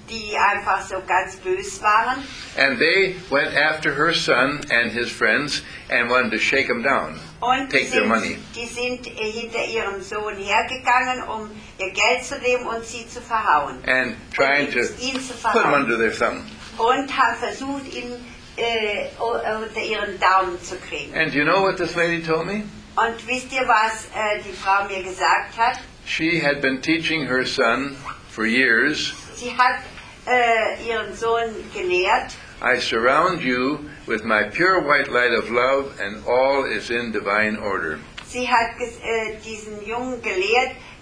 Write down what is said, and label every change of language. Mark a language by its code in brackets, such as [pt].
[de] Die einfach so ganz böse waren. [en] And they went after her son and his friends and wanted to shake them down, [de] und [en] take their money. [de] Die sind hinter ihrem Sohn hergegangen, um ihr Geld zu nehmen und sie zu verhauen. [en] And trying to [de] ihn zu verhauen. [en] Put them under their thumb. [de] Und haben versucht, ihn unter ihren Daumen zu kriegen. [en] And you know what this lady told me? [de] Und wisst ihr, was die Frau mir gesagt hat? [en] She had been teaching her son for years. [de] Sie hat ihren Sohn gelehrt. [en] I surround you with my pure white light of love, and all is in divine order. [de] Sie hat diesen Jungen gelehrt.